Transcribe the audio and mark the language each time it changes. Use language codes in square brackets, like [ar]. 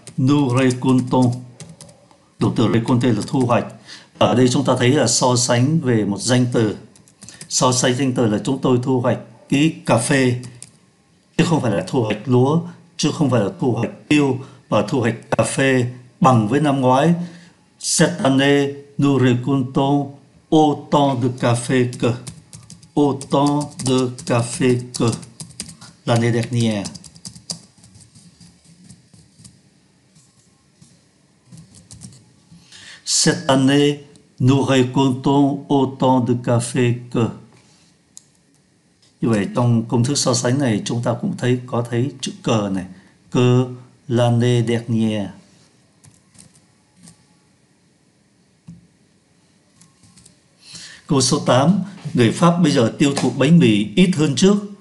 [fr] Nous récoltons. [vi] Động từ récolter là thu hoạch. Ở đây chúng ta thấy là so sánh về một danh từ. So sánh danh từ là chúng tôi thu hoạch cái cà phê, chứ không phải là thu hoạch lúa, chứ không phải là thu hoạch tiêu, và thu hoạch cà phê bằng với năm ngoái. [fr] Cette année, nous récoltons autant de café que. Autant de café que. L'année dernière. Cette année, nous récoltons autant de café que. [vi] Như vậy trong công thức so sánh này chúng ta cũng thấy có thấy chữ cờ này, cơ [fr] l'année dernière. [vi] Câu số 8, người Pháp bây giờ tiêu thụ bánh mì ít hơn trước.